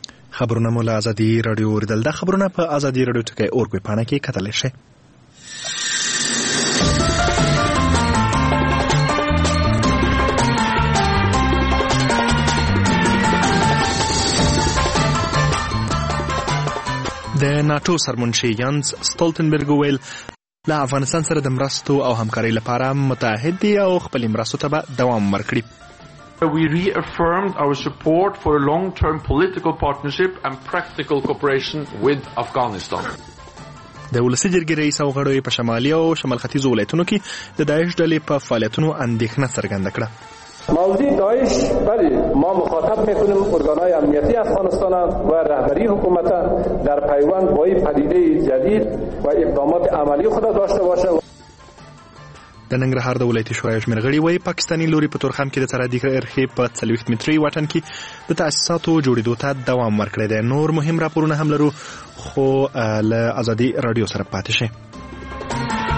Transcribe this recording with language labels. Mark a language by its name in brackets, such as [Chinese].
[Pashto] خبرونه مولا ازادي رادیو اوریدل. دا خبرونه په ازادي رادیو ټکی اور کوي پانه کې کتل شي. د ناتو سرمنشي یانس ستولتنبرګ ویل له افغانستان سره د مرستو او همکارۍ لپاره متحد دي او خپل مرستو ته به دوام ورکړي. [English] We reaffirmed our support for a long-term political partnership and practical cooperation with Afghanistan. [Pashto] د ولسی جرګی رئیس او غړوی په شمالي او شمال ختیځو ولایتونو کې د داعش ډلې په فعالیتونو اندېښنه څرګنده کړه. [Persian] موضوع داعش بلی ما مخاطب میکنیم ارگانهای امنیتی افغانستان و رهبری حکومت در پیوند با این پدیده جدید و اقدامات عملی خود داشته باشه. [Pashto] د ننګرهار د ولایتي شورای شمیر غړي وایي پاکستانی لوري په تورخم کې د ترادې کرخې په 40 متری واټن کې د تاسیساتو جوړېدو ته دوام ورکړی دی. نور مهم راپورونه هم لرو خو له ازادي رادیو سره پاتې شئ.